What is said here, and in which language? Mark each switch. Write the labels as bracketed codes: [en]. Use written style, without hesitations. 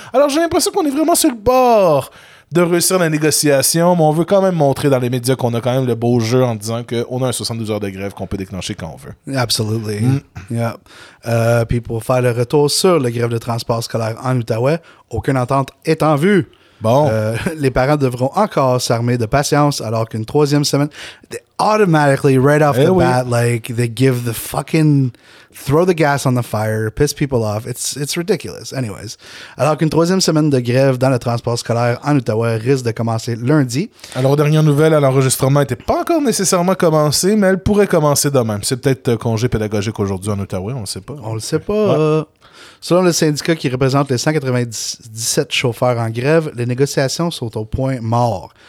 [fr] Alors j'ai l'impression qu'on est vraiment sur le bord de réussir la négociation, mais on veut quand même montrer dans les médias qu'on a quand même le beau jeu en disant qu'on a un 72 heures de grève qu'on peut déclencher quand on veut. [en] Absolutely. Mm. Yeah. [fr] Puis pour faire le retour sur la grève de transport scolaire en Outaouais, aucune entente est en vue. Bon. Les parents devront encore s'armer de patience alors qu'une troisième semaine... [en] Automatically, right off the bat, like, they give the fucking... Throw the gas on the fire, piss people off. It's ridiculous. Anyways. [fr] Alors qu'une troisième semaine de grève dans le transport scolaire en Ottawa risque de commencer lundi. Alors, dernière nouvelle, l'enregistrement n'était pas encore nécessairement commencé, mais elle pourrait commencer demain. C'est peut-être congé pédagogique aujourd'hui en Ottawa, on ne sait pas. On le sait pas. Ouais. Selon le syndicat qui représente les 197 chauffeurs en grève, les négociations sont au point mort.